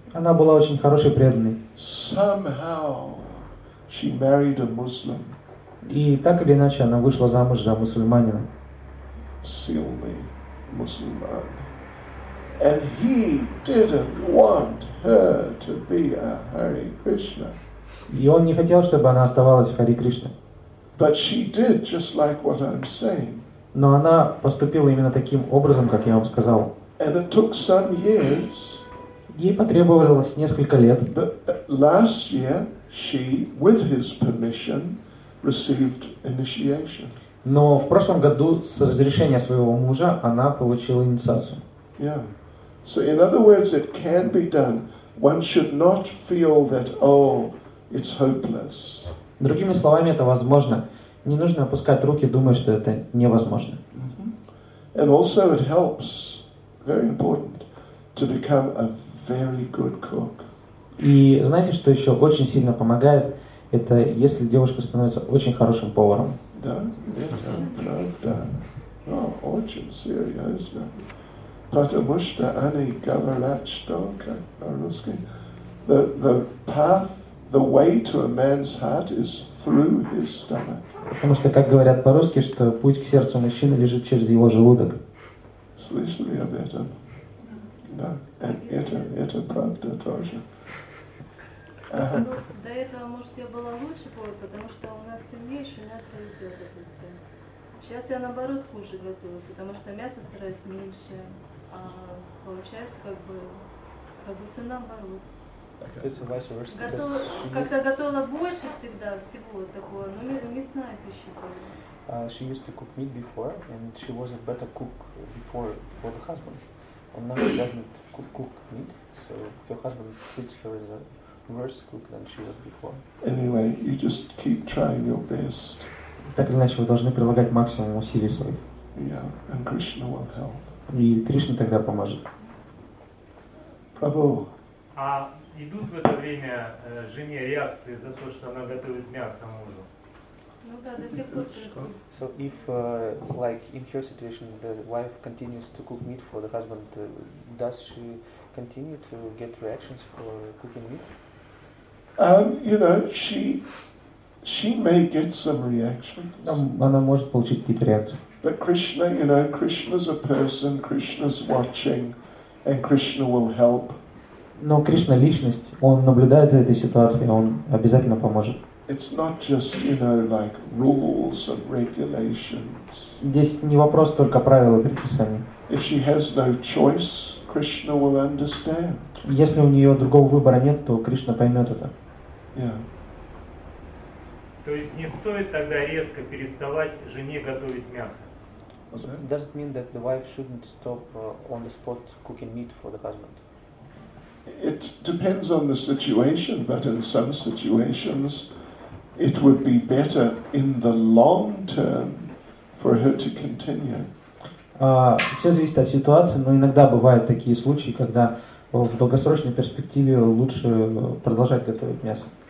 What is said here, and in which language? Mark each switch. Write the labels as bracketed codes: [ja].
[ru] Она была очень хорошей преданной. [en] Somehow she married a Muslim. [ru] И так или иначе она вышла замуж за мусульманина. Сильный мусульман. [en] And he didn't want her to be a Hare Krishna. [ru] И он не хотел, чтобы она оставалась в Харе Кришне. [en] But she did just like what I'm saying. [ru] Но она поступила именно таким образом, как я вам сказал. [en] And it took some years. [ru] Ей потребовалось несколько лет. [en] But last year she, with his permission, received initiation. [ru] Но в прошлом году с разрешения своего мужа она получила инициацию. [en] Yeah. So in other words, it can be done. One should not feel that, oh, it's hopeless. [ru] Другими словами, это возможно. Не нужно опускать руки, думая, что это невозможно. [en] And also it helps, very important, to become a very good cook. [ru] И знаете, что еще очень сильно помогает? Это если девушка становится очень хорошим поваром. Да, это правда. О, очень серьезно. Потому что они говорят, что по-русски. [en] The path, the way to a man's heart is through his stomach. [ru] Потому что, как говорят по-русски, что путь к сердцу мужчины лежит через его желудок. Слышали об этом? Да. Это правда тоже. До этого, может, я была лучше повар, потому что у нас сильнейшее мясо идет, допустим. Сейчас я, наоборот, хуже готовлю, потому что мясо стараюсь меньше. [en] She used to cook meat before, and she was a better cook before for the husband. And now she doesn't cook meat, so her husband treats her as a worse cook than she was before. Anyway, you just keep trying your best. [ru] Так или иначе, вы должны прилагать максимум усилий своих. [en] Yeah, and Krishna will help. [ru] И Кришна тогда поможет. Прабху. А идут в это время жене реакции за то, что она готовит мясо мужу? Ну да, до сих пор. [en] So if like in her situation the wife continues to cook meat for the husband, does she continue to get reactions for cooking meat? You know, she may get some reactions. [ru] Она может получить какие-то реакции. [en] But Krishna, you know, Krishna's a person, Krishna's watching, and Krishna will help. [ru] Но Кришна личность, он наблюдает за этой ситуацией, он обязательно поможет. [en] It's not just, you know, like rules and regulations. [ru] Здесь не вопрос только правил и предписаний. [en] If she has no choice, Krishna will understand. [ru] Если у нее другого выбора нет, то Кришна поймет это. [en] Yeah. [ru] То есть не стоит тогда резко переставать жене готовить мясо. [en] Does it mean that the wife shouldn't stop on the spot cooking meat for the husband? It depends on the situation, but in some situations it would be better in the long term for her to continue. [ru] Все зависит от ситуации, но иногда бывают такие случаи, когда в долгосрочной перспективе лучше продолжать готовить мясо.